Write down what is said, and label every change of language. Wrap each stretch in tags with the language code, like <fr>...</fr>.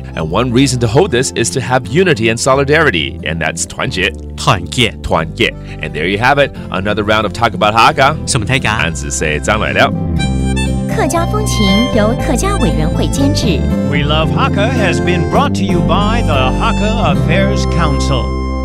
<en>And one reason to hold this is to have unity and solidarity, and that's 团结 And there you have it, another round of Talk About Hakka.</en> <zh>什么 Hakka? 单字是张来了。客家风情由客家委员会监制。</zh> <en>We Love Hakka has been brought to you by the Hakka Affairs Council.</en>